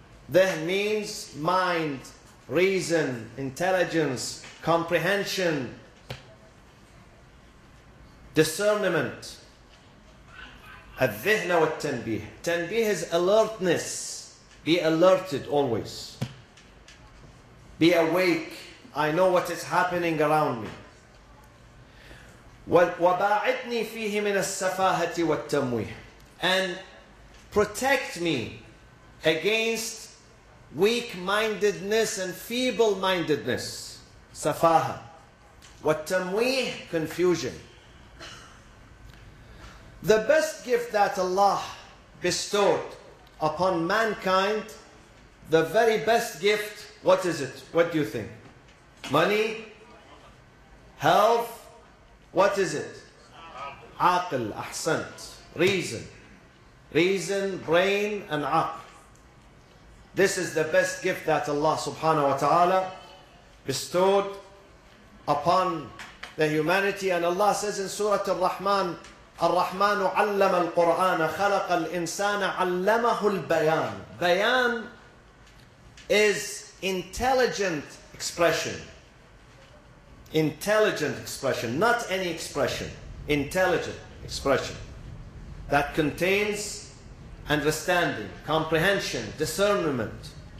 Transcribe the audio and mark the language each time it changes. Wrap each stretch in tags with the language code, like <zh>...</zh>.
<en>ذهن means mind, reason, intelligence, comprehension, discernment.</en> <ar>الذهن والتنبيه.</ar> <en>تنبيه is alertness. Be alerted always. Be awake. I know what is happening around me.</en> <ar>وباعدني فيه من السفاهة والتمويه.</ar> <en>And protect me against weak-mindedness and feeble-mindedness.</en> <ar>سفاهة. والتمويه, confusion.</ar> <en>The best gift that Allah bestowed upon mankind, the very best gift, what is it? What do you think? Money? Health? What is it? Aql, ahsant, reason. Reason, brain, and aql. This is the best gift that Allah subhanahu wa ta'ala bestowed upon the humanity. And Allah says in Surah Al-Rahman,</en> <ar>الرحمن علم القرآن خلق الإنسان علمه البيان.</ar> <en>بيان is intelligent expression. Intelligent expression, not any expression. Intelligent expression that contains understanding, comprehension, discernment.</en>